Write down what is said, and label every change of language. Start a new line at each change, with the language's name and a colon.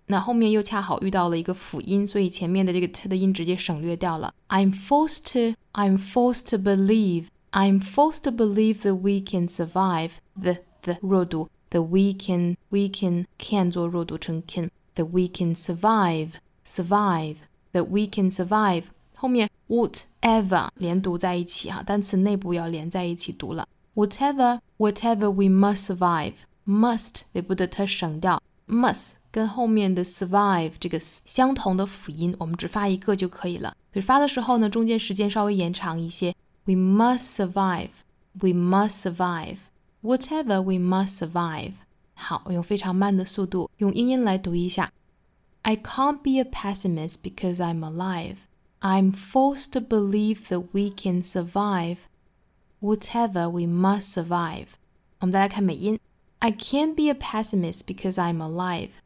Chinese: 那后面又恰好遇到了一个辅音所以前面的这个 T 的音直接省略掉了。
English: I'm forced to believe. I'm forced to believe that we can survive. The
Chinese: 弱读
English: That we can
Chinese: 做弱读成
English: can. That we can survive. Survive, that we can survive.
Chinese: 后面 whatever 连读在一起哈，单词内部要连在一起读了。
English: Whatever we must survive. Must
Chinese: 尾部的 t 省掉。 Must 跟后面的 survive 这个相同的辅音，我们只发一个就可以了。发的时候呢，中间时间稍微延长一些。
English: We must survive. We must survive. Whatever we must survive.
Chinese: 好，我用非常慢的速度用英音来读一下。
English: I can't be a pessimist because I'm alive. I'm forced to believe that we can survive whatever we must survive.
Chinese: 我们再来看美音。
English: I can't be a pessimist because I'm alive.